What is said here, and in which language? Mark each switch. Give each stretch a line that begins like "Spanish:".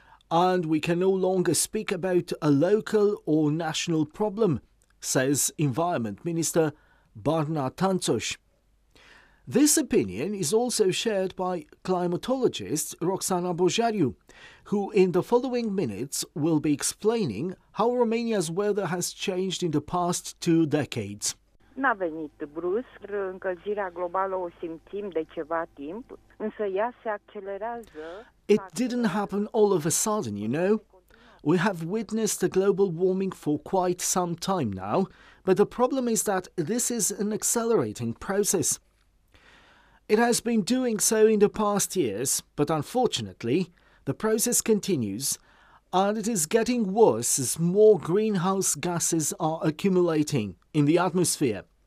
English: And we can no longer speak about a local or national problem, says Environment Minister Barna Tanțoș. This opinion is also shared by climatologist Roxana Bojariu, who in the following minutes will be explaining how Romania's weather has changed in the past two decades.
Romanian: N-a venit brusc, încălzirea globală o simțim de ceva timp, însă ea se accelerează.
English: It didn't happen all of a sudden, you know. We have witnessed the global warming for quite some time now, but the problem is that this is an accelerating process. It has been doing so in the past years, but unfortunately, the process continues and it is getting worse as more greenhouse gases are accumulating in the atmosphere.